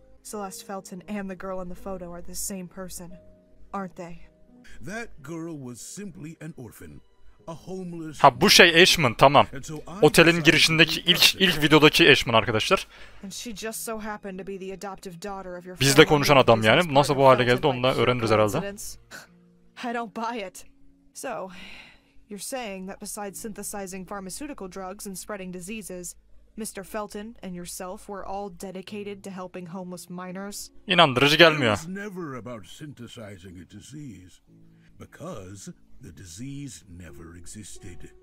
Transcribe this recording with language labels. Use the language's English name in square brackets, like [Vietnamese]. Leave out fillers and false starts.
[English] Celeste Felton and the girl in the photo are the same person, aren't they? That girl was simply an orphan, a homeless. [Turkish] Ha bu şey Ashman, tamam. Otelin girişindeki ilk videodaki Ashman arkadaşlar. [English] And she just so happened to be the adoptive daughter of your. [Turkish] Bizle konuşan adam yani. Nasıl bu hale geldi onu da öğreniriz herhalde. [English] I don't buy it. So, you're saying that besides synthesizing pharmaceutical drugs and spreading diseases, Mr. Felton and yourself were all dedicated to helping homeless minors? [Turkish] İnandırıcı gelmiyor. [English] It's never about synthesizing a disease, because the disease never existed.